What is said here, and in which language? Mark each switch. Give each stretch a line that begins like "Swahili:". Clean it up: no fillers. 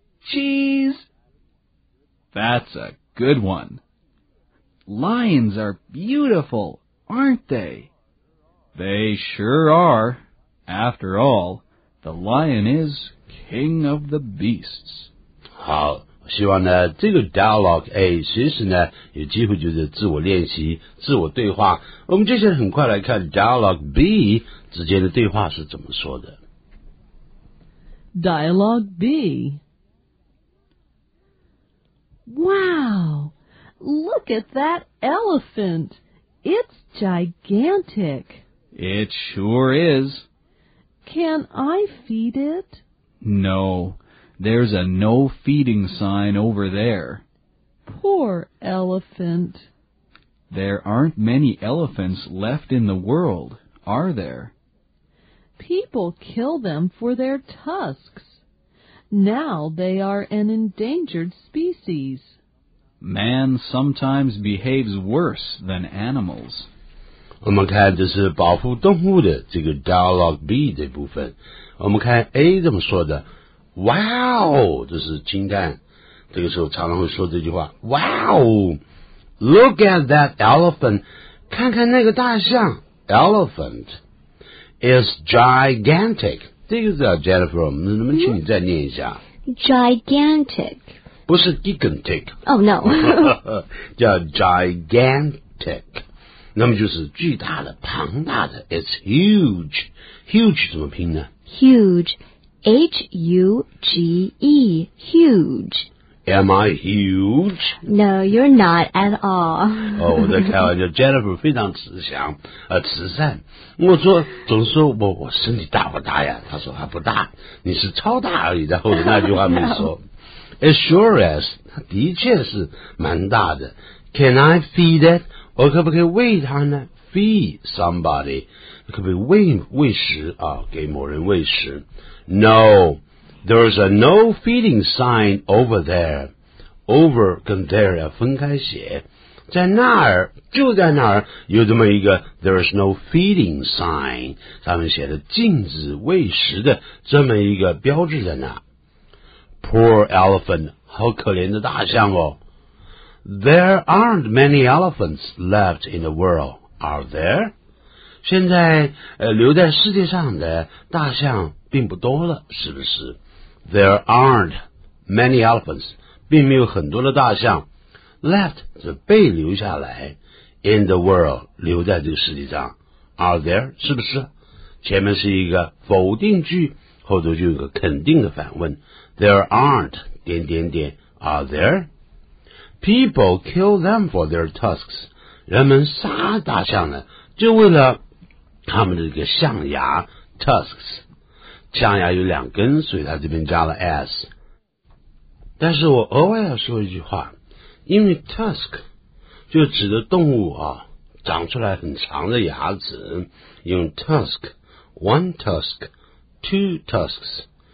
English: Cheese! That's a good one. Lions are beautiful, aren't they? They sure are. After all, the lion is king of the beasts. How?
Chinese: 希望呢，这个 dialogue A 随时呢有机会就是自我练习、自我对话。我们接下来很快来看 dialogue B 之间的对话是怎么说的。
English: Dialogue B. Wow, look at that elephant. It's gigantic. It sure is. Can I feed it? No. There's a no feeding sign over there. Poor elephant. There aren't many elephants left in the world, are there? People kill them for their tusks. Now they are an endangered species. Man sometimes behaves worse than animals.
Chinese: 我们看这是保护动物的这个 dialogue B 这部分。我们看 A 怎么说的。Wow, 这是惊叹，这个时候常常会说这句话。
English: Wow, look at that elephant,
Chinese: 看看那个大象。
English: Elephant is gigantic.
Chinese: 这个字啊 ,Jennifer, 能不能请你再念一下。
English: Gigantic.
Chinese: 不是
English: gigantic. Oh, no.
Chinese: 叫 gigantic. 那么就是巨大的庞大的。
English: It's huge. Huge
Chinese: 怎么拼呢
English: ?Huge. H-U-G-E, huge. Am I huge? No, you're not at all.
Chinese: 我在开玩笑 ,Jennifer 非常慈善。我说总是说 我身体大不大呀，他说他不大，你是超大而已，然后那句话没说。
English: It sure is,
Chinese: 他的确是蛮大的。
English: Can I feed it?
Chinese: 我可不可以喂他呢 ?
English: Feed somebody,
Chinese: 可不可以喂食啊，给某人喂食。
English: No, there's a no feeding sign over there.
Chinese: Over 跟 there 要分开写，在那儿就在那儿有这么一个
English: there's no feeding sign，
Chinese: 上面写的禁止喂食的这么一个标志在那。
English: Poor elephant，
Chinese: 好可怜的大象哦。
English: There aren't many elephants left in the world, are there?
Chinese: 现在、留在世界上的大象并不多了，是不是？
English: There aren't many elephants,
Chinese: 并没有很多的大象。 Left, 是被留下来。
English: In the world,
Chinese: 留在这个世界上。
English: Are there,
Chinese: 是不是？前面是一个否定句，后头就有个肯定的反问。
English: There aren't,
Chinese: 点点点
English: are there? People kill them for their tusks.
Chinese: 人们杀大象呢，就为了他们的这个象牙 tusks. 象牙有两根，所以他这边加了 s. 但是我额外要说一句话，因为 tusk 就指的动物啊，长出来很长的牙齿，用 tusk,
English: one tusk, two tusks.